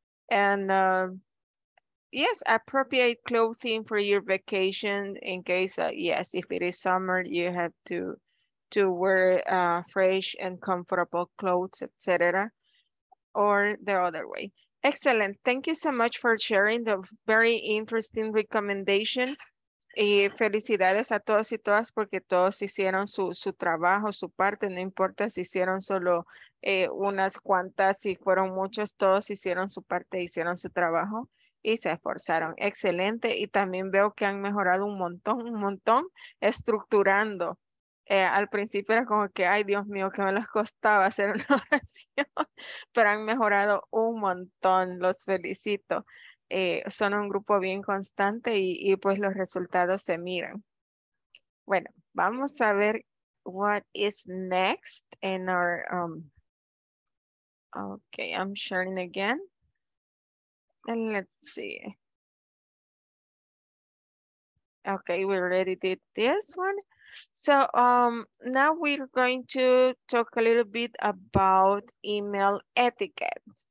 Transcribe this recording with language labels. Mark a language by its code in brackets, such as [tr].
[en] And yes, appropriate clothing for your vacation in case, yes, if it is summer, you have to wear fresh and comfortable clothes, etc., or the other way. Excellent. Thank you so much for sharing the very interesting recommendation. [es] Y felicidades a todos y todas porque todos hicieron su trabajo, su parte. No importa si hicieron solo unas cuantas, si fueron muchos, todos hicieron su parte, hicieron su trabajo y se esforzaron. Excelente. Y también veo que han mejorado un montón estructurando. Al principio era como que, ay, Dios mío, que me les costaba hacer una oración, pero han mejorado un montón, los felicito. Son un grupo bien constante y pues los resultados se miran. Bueno, vamos a ver [en] what is next in our, okay, I'm sharing again. And let's see. Okay, we already did this one. So now we're going to talk a little bit about email etiquette.